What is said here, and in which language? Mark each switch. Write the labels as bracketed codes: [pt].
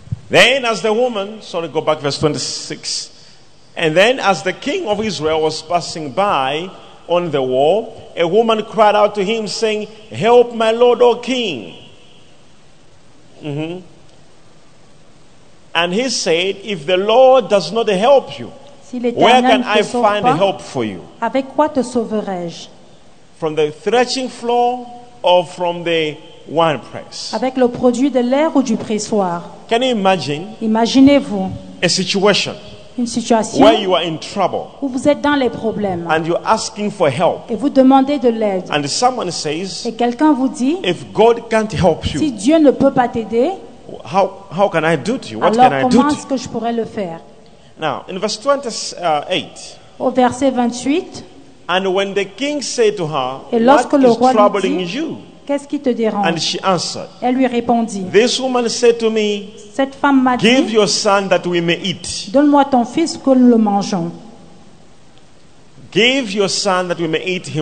[en] Then as the woman, sorry, go back verse 26. And then as the king of Israel was passing by on the wall, a woman cried out to him, saying, "Help my lord, O king." Mm-hmm. And he said, "If the Lord does not help you, [fr] si [en] where can I find [fr] pas, [en] help for you? [fr] Avec quoi te sauverai-je? [en] From the threshing floor or from the wine press? [fr] Avec le produit de l'air ou du pressoir? [en] Can you imagine? [fr] Imaginez-vous [en] a situation. [fr] Une situation [en] where you are in trouble, [fr] où vous êtes dans les problèmes [en] and you're asking for help, [fr] et vous demandez de l'aide [en] and someone says, [fr] et quelqu'un vous dit [en] if God can't help you, [fr] si Dieu ne peut pas t'aider [en] how can I do to you? What [fr] alors [en] can [fr] comment [en] I do [fr] est-ce que je pourrais le faire [en] now, in verse 28, [fr] au verset 28 [en] and when the king said to her, [fr] et lorsque [en] what [fr] le [en] is [fr] roi [en] troubling [fr] lui dit [en] you? [fr] Qu'est-ce qui te dérange [en] and she answered, [fr] elle lui répondit [en] this woman said to me, [fr] cette femme m'a dit, [en] give your son that we may eat. [fr] Donne-moi ton fils que nous le mangeons. [en] Give your son that we may eat him